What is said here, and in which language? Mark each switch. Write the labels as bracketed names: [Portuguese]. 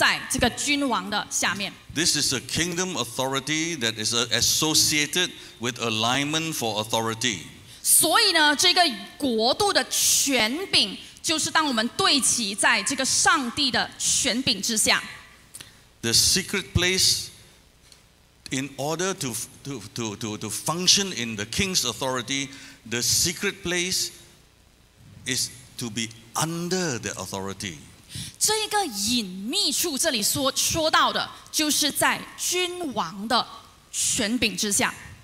[English] This is a kingdom authority that is associated with alignment for authority. [Chinese] 所以呢, 这个国度的权柄, 就是当我们对齐在这个上帝的权柄之下。 [English] The secret place in order to function in the king's authority, the secret place is to be under the authority. [Chinese] 这个隐秘处这里说到的 就是在君王的权柄之下。